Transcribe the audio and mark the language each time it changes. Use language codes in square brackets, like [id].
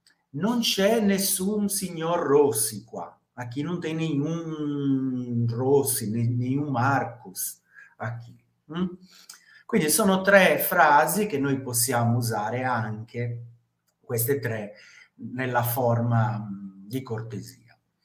[it] Non c'è nessun signor Rossi qua. [pt] Aqui não tem nenhum Rossi, nenhum Marcos aqui. [it] Quindi sono tre frasi che noi possiamo usare anche, queste tre, nella forma di cortesia.